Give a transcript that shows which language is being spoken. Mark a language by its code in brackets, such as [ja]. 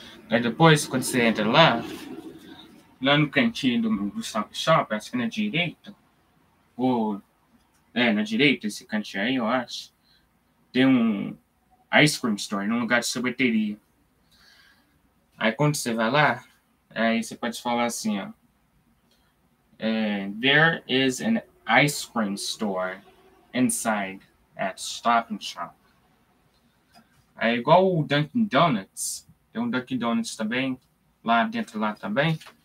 [pt] Aí depois, quando você entra lá, lá no cantinho do Stop Shop, acho que na direita, na direita, esse cantinho aí, eu acho, tem um ice cream store, num lugar de sorveteria. Aí quando você vai lá, aí você pode falar assim, ó. [en] There is an ice cream store inside at Stop and Shop. [pt] Aí igual o Dunkin' Donuts, tem um Dunkin' Donuts também, lá dentro lá também.